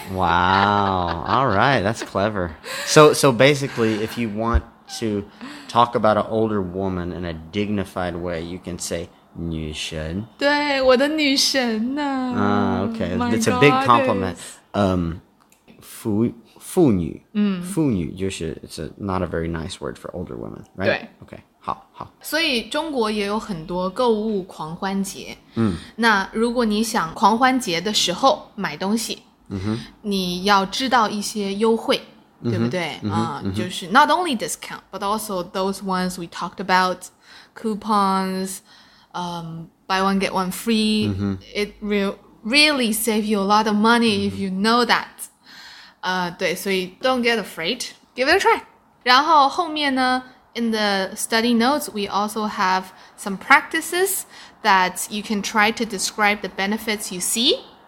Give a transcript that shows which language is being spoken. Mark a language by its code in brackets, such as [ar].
[en] wow, alright, that's clever so basically if you want to talk about an older woman in a dignified way you can say 女神 [zh] 对我的女神呢、 [en] okay,、 My、 it's、 goddess. A big compliment [zh] 妇女，妇女就是 [en] it's a not a very nice word for older women, right? [zh] 对，OK, 好，好。所以中国也有很多购物狂欢节。嗯，那如果你想狂欢节的时候买东西，嗯哼，你要知道一些优惠，嗯、对不对？啊、嗯就是 [en] not only discount, but also those ones we talked about, coupons, buy one get one free.、嗯、 it really save you a lot of money、嗯、 if you know that. [zh] 对所以 [en] don't get afraid, give it a try. [zh] 然后后面呢 [en] in the study notes, we also have some practices that you can try to describe the benefits you see.